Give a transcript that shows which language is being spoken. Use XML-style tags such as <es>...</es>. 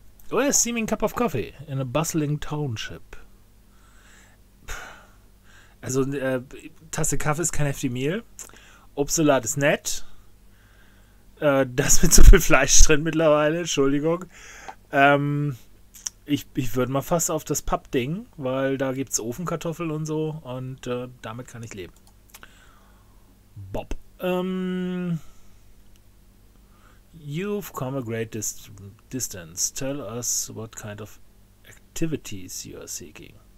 <en>Oh, a steaming cup of coffee in a bustling township.</en> <de>Also, Tasse Kaffee ist kein Hefty Meal. Obstsalat ist nett. Das mit zu viel Fleisch drin mittlerweile. Entschuldigung. Ich würde mal fast auf das Pappding, weil da gibt es Ofenkartoffeln und so und damit kann ich leben. Bob.</de> <en>You've come a great distance. Tell us what kind of activities you are seeking.</en>